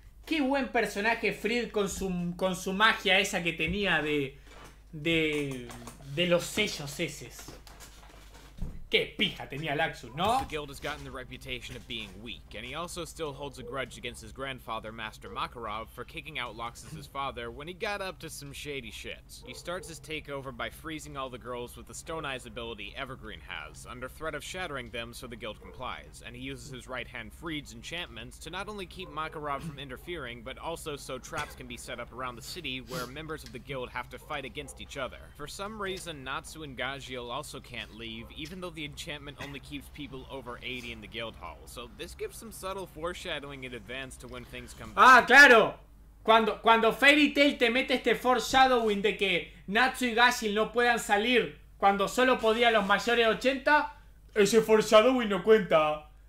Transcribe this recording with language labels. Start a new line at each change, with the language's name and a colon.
Spanish: Qué buen personaje Frid con su magia esa que tenía de los sellos eses. Qué pija tenía Laxus, ¿no?
English: The guild has gotten the reputation of being weak, and he also still holds a grudge against his grandfather, Master Makarov, for kicking out Loxus's father when he got up to some shady shit. He starts his takeover by freezing all the girls with the Stone Eyes ability Evergreen has, under threat of shattering them so the guild complies, and he uses his right hand Freed's enchantments to not only keep Makarov from interfering, but also so traps can be set up around the city where members of the guild have to fight against each other. For some reason, Natsu and Gajiel also can't leave, even though the enchantment only keeps people over 80 in the guild hall, so this gives some subtle foreshadowing in advance to when things come back.
Spanish: Ah, claro! Cuando Fairy Tail te mete este foreshadowing de que Natsu y Gashil no puedan salir cuando solo podían los mayores 80, ese foreshadowing no cuenta.